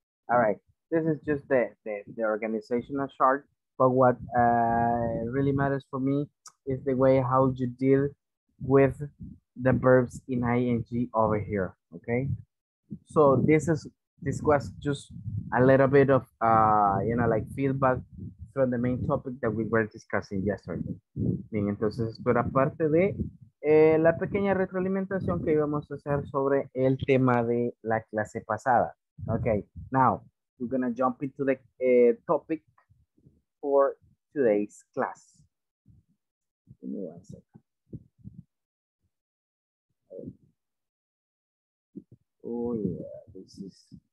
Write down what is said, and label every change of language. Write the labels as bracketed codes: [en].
[en] All right, this is just the organizational chart, but what really matters for me is the way how you deal with the verbs in ing over here, okay? So this was just a little bit of, you know, like feedback from the main topic that we were discussing yesterday. [es] Bien, entonces, por aparte de la pequeña retroalimentación que íbamos a hacer sobre el tema de la clase pasada. [en] Okay, now we're gonna jump into the topic for today's class. Give me 1 second. Oh yeah, this is.